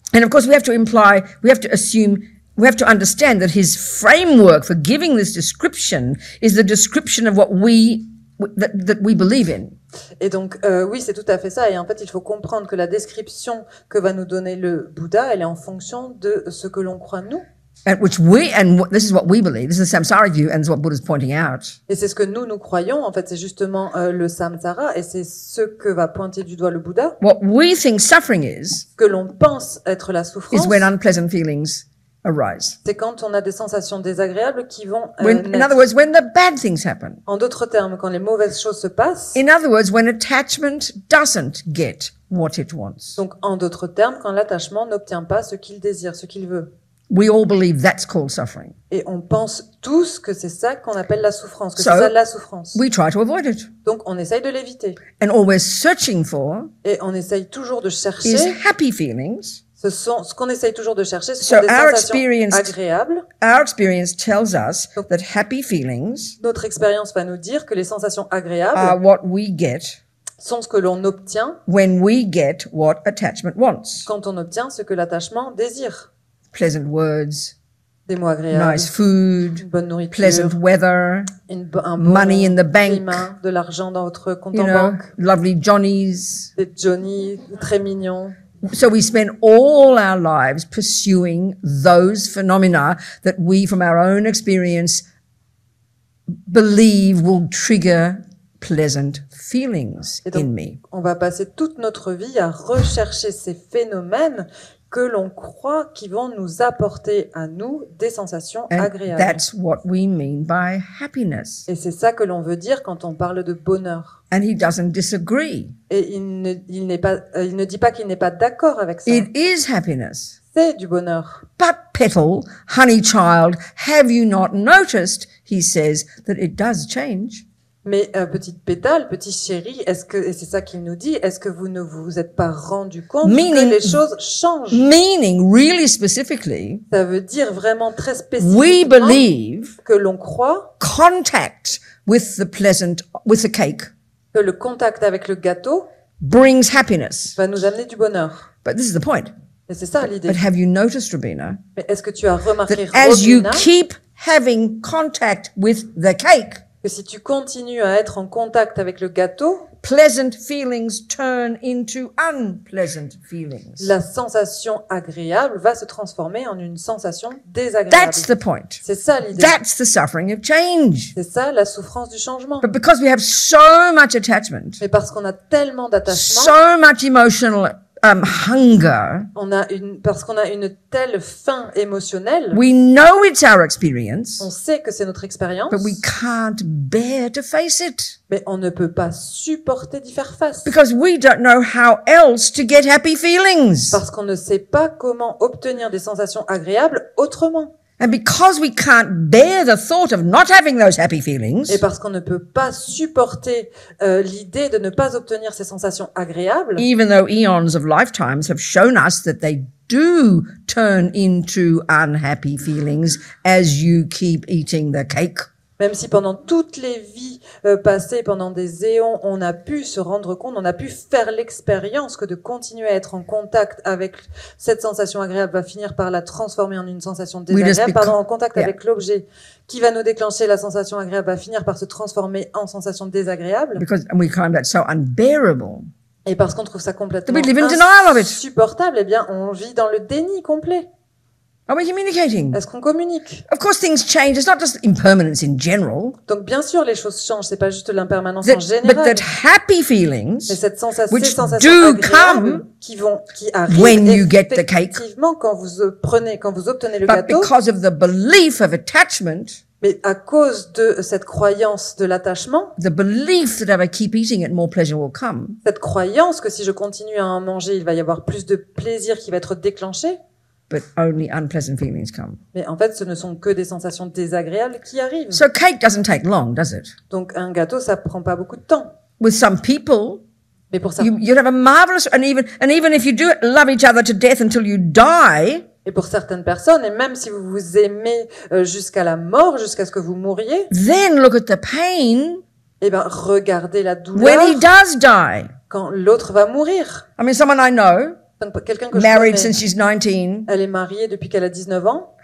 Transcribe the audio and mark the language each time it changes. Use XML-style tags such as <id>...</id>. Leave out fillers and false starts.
<en>And of course we have to imply, we have to assume, we have to understand that his framework for giving this description is the description of what we that we believe in.</en> <fr>Et donc oui, c'est tout à fait ça. Et en fait, il faut comprendre que la description que va nous donner le Bouddha, elle est en fonction de ce que l'on croit nous.</fr> <en>And which we and this is what we believe. This is the samsara view, and it's what Buddha is pointing out.</en> <fr>Et c'est ce que nous croyons. En fait, c'est justement le samsara, et c'est ce que va pointer du doigt le Bouddha.</fr> <en>What we think suffering is.</en> <fr>Que l'on pense être la souffrance.</fr> <en>Is when unpleasant feelings. Arise.</en> <fr>C'est quand on a des sensations désagréables qui vont</fr> <en>In other words, when the bad things happen.</en> <fr>En d'autres termes, quand les mauvaises choses se passent.</fr> <en>In other words, when attachment doesn't get what it wants.</en> <fr>Donc, en d'autres termes, quand l'attachement n'obtient pas ce qu'il désire, ce qu'il veut.</fr> <en>We all believe that's called suffering.</en> <fr>Et on pense tous que c'est ça qu'on appelle la souffrance, que c'est ça la souffrance.</fr> <en>We try to avoid it.</en> <fr>Donc on essaye de l'éviter.</fr> <en>And all we're searching for.</en> <fr>Et on essaye toujours de chercher.</fr> <en>Is happy feelings.</en> <fr>Ce qu'on essaye toujours de chercher, ce sont des sensations agréables.</fr> <en>Our experience tells us that happy feelings.</en> <fr>Notre expérience va nous dire que les sensations agréables.</fr> <en>Are what we get.</en> <fr>Sont ce que l'on obtient.</fr> <en>When we get what attachment wants.</en> <fr>Quand on obtient ce que l'attachement désire.</fr> <en>Pleasant words,</en> <fr>des mots agréables,</fr> <en>nice food,</en> <fr>une bonne nourriture,</fr> <en>pleasant weather, money in the bank,</en> <fr>climat, de l'argent dans votre compte en banque,</fr> <en>lovely Johnnies,</en> <fr>des Johnny très mignon.</fr> <en>So we spend all our lives pursuing those phenomena that we, from our own experience, believe will trigger pleasant feelings</en> <fr>et donc,</fr> <en>in me.</en> <fr>On va passer toute notre vie à rechercher ces phénomènes que l'on croit qu'ils vont nous apporter à nous des sensations</fr> <en>And</en> <fr>agréables.</fr> <en>That's what we mean by happiness.</en> <fr>Et c'est ça que l'on veut dire quand on parle de bonheur.</fr> <en>And he doesn't disagree.</en> <fr>Et il ne dit pas qu'il n'est pas d'accord avec ça.</fr> <en>It is happiness.</en> <fr>C'est du bonheur.</fr> <en>But petal, honey child, have you not noticed, he says, that it does change.</en> <fr>Mais petite pétale, petit chéri, est-ce que et c'est ça qu'il nous dit, est-ce que vous ne vous êtes pas rendu compte</fr> <en>meaning,</en> <fr>que les choses changent?</fr> <en>Meaning really specifically.</en> <fr>Ça veut dire vraiment très spécifiquement.</fr> <en>We believe</en> <fr>que l'on croit</fr> <en>contact with the pleasant with the cake.</en> <fr>Que le contact avec le gâteau</fr> <en>brings happiness.</en> <fr>Va nous amener du bonheur.</fr> <en>But this is the point.</en> <fr>Et c'est ça l'idée.</fr> <en>But have you noticed, Robina?</en> <fr>Mais est-ce que tu as remarqué,</fr> <en>that</en> <fr>Robina,</fr> <en>as you keep having contact with the cake?</en> <fr>Que si tu continues à être en contact avec le gâteau,</fr> <en>pleasant feelings turn into unpleasant feelings.</en> <fr>La sensation agréable va se transformer en une sensation désagréable.</fr> <en>That's the point.</en> <fr>C'est ça l'idée.</fr> <en>That's the suffering of change.</en> <fr>C'est ça la souffrance du changement.</fr> <en>But because we have so much attachment,</en> <fr>mais parce qu'on a tellement d'attachement,</fr> <en>so much emotional hunger,</en> <fr>on a une, parce qu'on a une telle faim émotionnelle,</fr> <en>we know it's our experience,</en> <fr>on sait que c'est notre expérience,</fr> <en>but we can't bear to face it.</en> <fr>Mais on ne peut pas supporter d'y faire face.</fr> <en>Because we don't know how else to get happy feelings.</en> <fr>Parce qu'on ne sait pas comment obtenir des sensations agréables autrement.</fr> <en>And because we can't bear the thought of not having those happy feelings.</en> <fr>Et parce qu'on ne peut pas supporter l'idée de ne pas obtenir ces sensations agréables.</fr> <en>Even though eons of lifetimes have shown us that they do turn into unhappy feelings as you keep eating the cake.</en> <fr>Même si pendant toutes les vies passées, pendant des éons, on a pu se rendre compte, on a pu faire l'expérience que de continuer à être en contact avec cette sensation agréable va finir par la transformer en une sensation désagréable, pardon, en contact avec l'objet qui va nous déclencher la sensation agréable va finir par se transformer en sensation désagréable.</fr> <en>Because we find that so unbearable.</en> <fr>Et parce qu'on trouve ça complètement insupportable, eh bien, on vit dans le déni complet.</fr> <en>Are we communicating?</en> <fr>Est-ce qu'on communique?</fr> <en>Of course things change. It's not just impermanence in general.</en> <fr>Donc bien sûr les choses changent, c'est pas juste l'impermanence</fr> <en>that,</en> <fr>en général.</fr> <en>But that happy feelings,</en> <fr>mais cette sensation,</fr> <en>which</en> <fr>ces sensations</fr> <en>do</en> <fr>agréables</fr> <en>come</en> <fr>qui vont qui arrivent effectivement</fr> <en>cake,</en> <fr>quand vous obtenez le</fr> <en>but</en> <fr>gâteau.</fr> <en>But because of the belief of attachment,</en> <fr>mais à cause de cette croyance de l'attachement,</fr> <en>the belief that if I keep eating it, more pleasure will come.</en> <fr>Cette croyance que si je continue à en manger, il va y avoir plus de plaisir qui va être déclenché.</fr> <en>But only unpleasant feelings come.</en> <fr>Mais en fait, ce ne sont que des sensations désagréables qui arrivent.</fr> <en>So cake doesn't take long, does it?</en> <fr>Donc un gâteau, ça prend pas beaucoup de temps.</fr> <en>With some people,</en> <fr>mais pour ça,</fr> <en>you'd have a marvelous, and even if you do love each other to death until you die.</en> <fr>Et pour certaines personnes, et même si vous vous aimez jusqu'à la mort, jusqu'à ce que vous mouriez.</fr> <en>Then look at the pain.</en> <fr>Eh ben, regardez la douleur.</fr> <en>When he does die.</en> <fr>Quand l'autre va mourir.</fr> <en>I mean, someone I know.</en> <fr>Quelqu'un que</fr> <en>married</en> <fr>je connais,</fr> <en>since she's 19.</en> <fr>Elle est mariée depuis qu'elle a 19 ans.</fr>